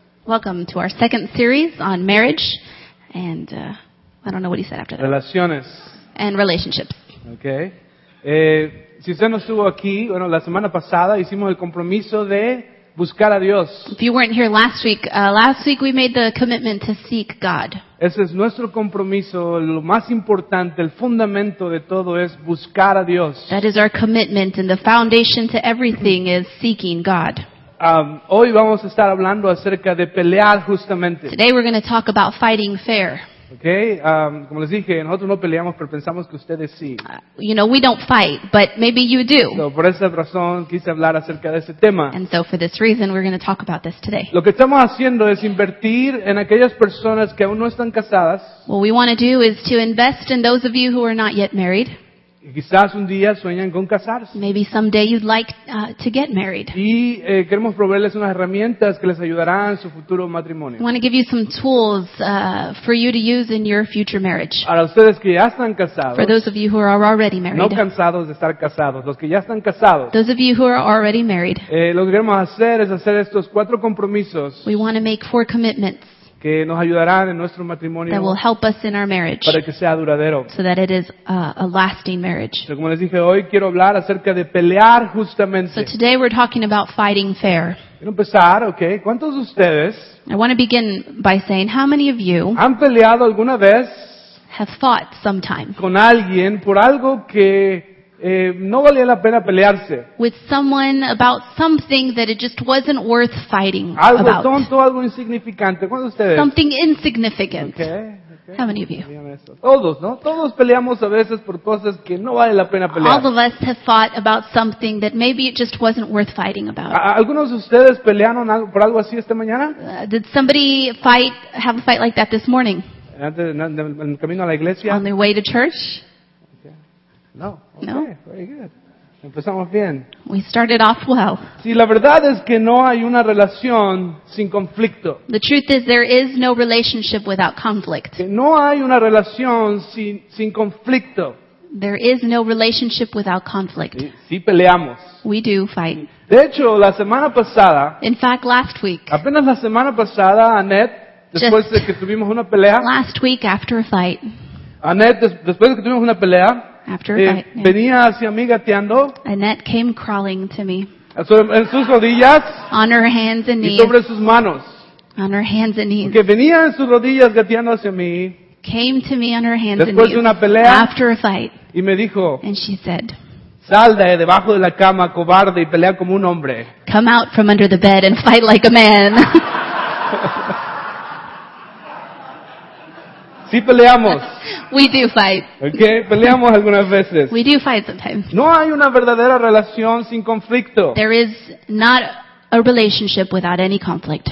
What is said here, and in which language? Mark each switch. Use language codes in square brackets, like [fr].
[en] Welcome to our second series on marriage and I don't know what he said after that. [es] Relaciones. [en] And relationships. Okay. [es] Si usted no estuvo aquí, bueno, la semana pasada hicimos el compromiso de buscar a Dios. [en] If you weren't here last week we made the commitment to seek God. [es] Ese es nuestro compromiso, lo más importante, el fundamento de todo es buscar a Dios. [en] That is our commitment and the foundation to everything is seeking God. [es] Hoy vamos a estar hablando acerca de pelear justamente. [en] Today we're going to talk about fighting fair. [es] Okay, como les dije, nosotros no peleamos, pero pensamos que ustedes sí. [en] You know, we don't fight, but maybe you do. [es] So, por esa razón quise hablar acerca de ese tema. [en] And so for this reason, we're going to talk about this today. [es] Lo que estamos haciendo es invertir en aquellas personas que aún no están casadas. [en] What we want to do is to invest in those of you who are not yet married. [es] Y quizás un día sueñan con casarse. [en] Maybe someday you'd like to get married. [es] Y queremos proveerles unas herramientas que les ayudarán en su futuro matrimonio. [en] We want to give you some tools for you to use in your future marriage. [es] Para ustedes que ya están casados. [en] For those of you who are already married. [es] No cansados de estar casados, los que ya están casados. [en] Those of you who are already married. [es] Lo que queremos hacer es hacer estos cuatro compromisos. [en] We want to make four commitments. [es] Que nos ayudarán en nuestro matrimonio [en] that will help us in our marriage, [es] para que sea duradero. [en] So that it is a lasting marriage. [es] Pero como les dije, hoy quiero hablar acerca de pelear justamente. [en] So today we're talking about fighting fair. [es] Quiero empezar, okay. ¿Cuántos de ustedes [en] I want to begin by saying, how many of you [es] han peleado alguna vez [en] have fought sometime [es] con alguien por algo que no valía la pena pelearse. [en] With someone about something that it just wasn't worth fighting [es] algo [en] about. [es] Algo tonto, algo insignificante. ¿Cuántos de ustedes? [en] Something insignificant. Okay. How many of you? [es] Todos, ¿no? Todos peleamos a veces por cosas que no vale la pena pelear. [en] All of us have fought about something that maybe it just wasn't worth fighting about. [es] ¿Algunos de ustedes pelearon por algo así esta mañana? [en] Did somebody have a fight like that this morning? [es] Antes, en el camino a la iglesia. [en] On their way to church? No. Okay, no. Very good. [es] Empezamos bien. [en] We started off well. [es] Sí, la verdad es que no hay una relación sin conflicto. [en] The truth is there is no relationship without conflict. [es] Que no hay una relación sin conflicto. [en] There is no relationship without conflict. [es] Sí, peleamos. [en] We do fight. [es] De hecho, la semana pasada. [en] In fact, last week. [es] Apenas la semana pasada, Annette, después de que tuvimos una pelea. [en] Last week after a fight. [es] Annette, después de que tuvimos una pelea. [en] After a fight, [es] venía hacia mí gateando. [en] Annette came crawling to me. [es] En sus rodillas. [en] On her hands and knees. [es] Y sobre sus manos. [en] On her hands and knees. [es] Que venía en sus rodillas gateando hacia mí. [en] Came to me on her hands [es] después Después de una pelea. [en] After a fight. [es] Y me dijo. [en] And she said. [es] Sal de debajo de la cama, cobarde, y pelea como un hombre. [en] Come out from under the bed and fight like a man. [es] Sí peleamos. [en] We do fight. [es] Okay, peleamos algunas veces. [en] We do fight sometimes. [es] No hay una verdadera relación sin conflicto. [en] There is not a relationship without any conflict.